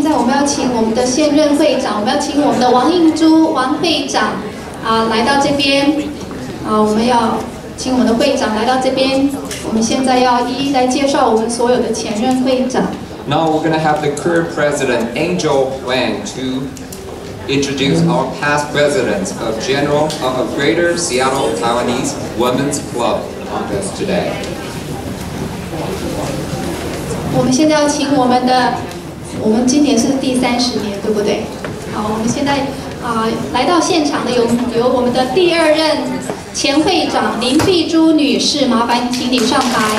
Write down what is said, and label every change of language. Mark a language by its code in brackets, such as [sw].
[zh] 要请我们的现任会长，我们要请我们的王映珠王会长啊来到这边啊，我们要请我们的会长来到这边。我们现在要一一来介绍我们所有的前任会长。 [en] Now we're going to have the current president Angel Wang to introduce our past presidents of General of a Greater Seattle Taiwanese Women's Club among us today. [zh] 我们现在要请我们的，我们今年是第三十年，对不对？好，我们现在来到现场的有我们的第二任前会长林碧珠女士，麻烦请你上台。